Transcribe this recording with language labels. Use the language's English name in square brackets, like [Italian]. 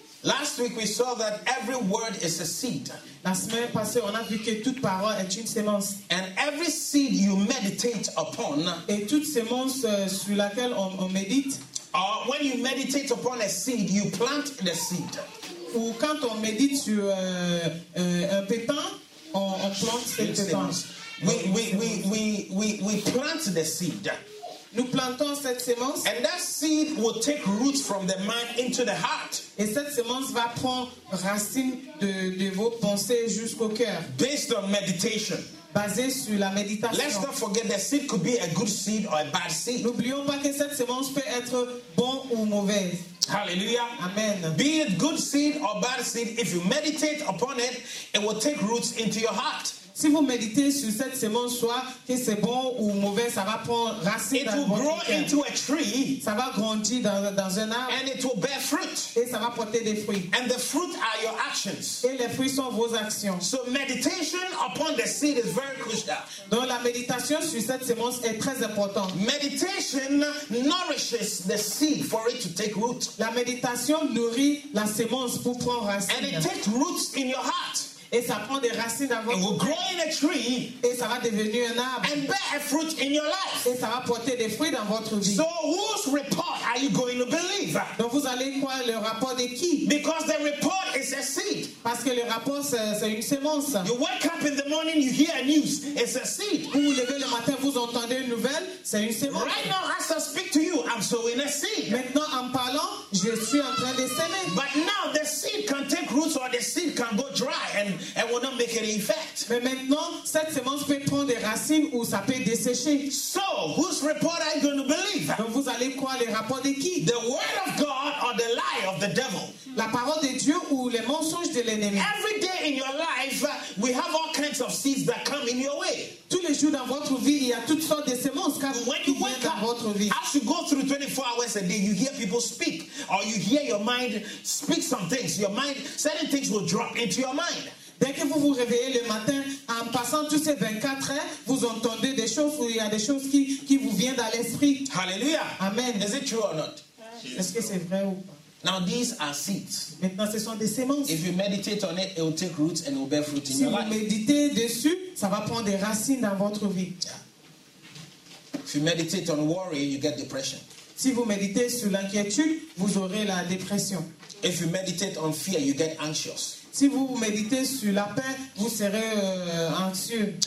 [English] Last week we saw that every word is a seed. [French] La semaine passée, on a vu que toute parole est une semence. [English] And every seed you meditate upon. [French] Et toute semence sur laquelle on médite. [English] Or when you meditate upon a seed, you plant the seed. [French] Ou quand on médite sur un pépin, on plante cette semence. [English] We plant the seed. [French] Nous plantons cette semence. [English] And that seed will take root from the mind into the heart. [French] Et cette semence va prendre racine de vos pensées jusqu'au cœur. [English] Based on meditation. [French] Basé sur la méditation. [English] Let's not forget the seed could be a good seed or a bad seed. [French] N'oublions pas que cette semence peut être bon ou mauvaise. [English] Hallelujah. Amen. Be it good seed or bad seed, if you meditate upon it, it will take roots into your heart. [French] Si vous méditez sur cette semence, soit que c'est bon ou mauvais, ça va prendre racine dans votre cœur. [English] It will grow into a tree. [French] Ça va grandir dans un arbre. [English] And it will bear fruit. [French] Et ça va porter des fruits. [English] And the fruit are your actions. [French] Et les fruits sont vos actions. [English] So meditation upon the seed is very crucial. [French] Donc la méditation sur cette semence est très importante. [English] Meditation nourishes the seed for it to take root. [French] La méditation nourrit la semence pour prendre racine. [English] And it takes roots in your heart. [French] Et ça prend des racines dans votre cœur. [English] It will grow in a tree. [French] Et ça va devenir un arbre. [English] And bear a fruit in your life. [French] Et ça va porter des fruits dans votre vie. [English] So whose report are you going to believe? [French] Donc vous allez croire le rapport de qui? [English] Because the report is a seed. [French] Parce que le rapport c'est une semence. [English] You wake up in the morning, you hear a news. It's a seed. [French] Vous vous levez le matin, vous entendez une nouvelle, c'est une semence. [English] Right now, as I speak to you, I'm sowing a seed. [French] Maintenant en parlant, je suis en train de semer. [English] But now the seed can take roots or the seed can go dry and will not make any effect. [French] Mais maintenant, cette semence peut prendre des racines ou ça peut dessécher. [English] So, whose report are you going to believe? [French] Donc vous allez croire les rapports de qui? [English] The word of God or the lie of the devil? [French] La parole de Dieu ou les mensonges de l'ennemi? [English] Every day in your life, we have all kinds of seeds that come in your way. [French] Tous les jours dans votre vie, il y a toutes sortes de semences qui viennent dans votre vie. [English] As you go through 24 hours a day, you hear people speak, or you hear your mind speak some things. Your mind, certain things will drop into your mind. [French] Dès que vous vous réveillez le matin, en passant tous ces 24 heures, vous entendez des choses ou il y a des choses qui vous viennent dans l'esprit. [English] Hallelujah. Amen. Is it true or not? Yes. [French] Est-ce que c'est vrai ou pas? [English] Now these are seeds. [French] Maintenant, ce sont des semences. [English] If you meditate on it, it will take roots and it will bear fruit in [French] si [English] your life. [French] Si vous méditez dessus, ça va prendre des racines dans votre vie. [English] Yeah. If you meditate on worry, you get depression. [French] Si vous méditez sur l'inquiétude, vous aurez la dépression. [English] If you meditate on fear, you get anxious. [French] Si vous méditez sur la peur, vous serez anxieux.